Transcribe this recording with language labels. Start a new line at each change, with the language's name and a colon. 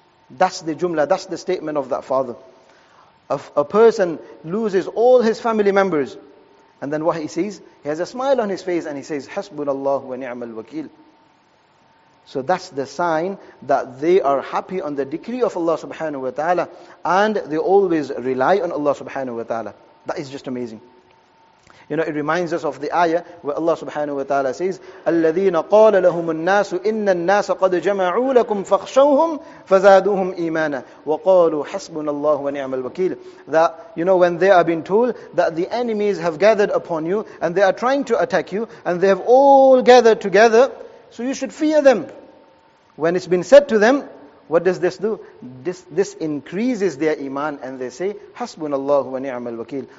English: That's the jumla, that's the statement of that father. A person loses all his family members. And then what he sees? He has a smile on his face and he says,
Arabic: Hasbunallahu wa ni'mal wakil.
English: So that's the sign that they are happy on the decree of Allah subhanahu wa ta'ala. And they always rely on Allah subhanahu wa ta'ala. That is just amazing. You know, it reminds us of the ayah where Allah subhanahu wa ta'ala says,
Arabic: الَّذِينَ قَالَ لَهُمُ النَّاسُ إِنَّ النَّاسَ قَدْ جَمَعُوا لَكُمْ فَخْشَوْهُمْ فَزَادُوهُمْ إِيمَانًا وَقَالُوا حَسْبُنَ اللَّهُ وَنِعْمَ الْوَكِيلُ.
English: That, you know, when they are being told that the enemies have gathered upon you and they are trying to attack you and they have all gathered together, so you should fear them. When it's been said to them, what does this do? This increases their iman and they say,
Arabic: حَسْبُنَ اللَّهُ وَنِعْمَ الْوَكِيلُ.